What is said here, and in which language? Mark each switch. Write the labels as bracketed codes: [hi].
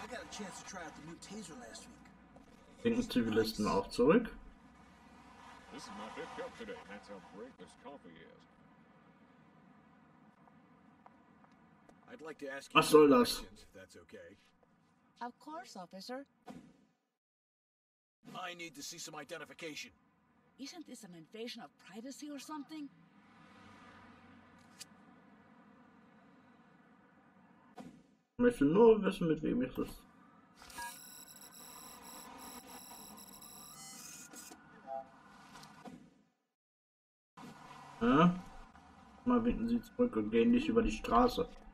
[en] chance to try out the new taser last week. [de] Winken Zivilisten auch zurück. [en] This is my fifth cup today. That's how great this coffee is. I'd like to ask you some questions, if that's okay. Of course, officer. I need to see some identification. Isn't this an invasion of privacy or something? [de] Ich möchte nur wissen, mit wem ich das. Ja. Mal winken Sie zurück und gehen nicht über die Straße.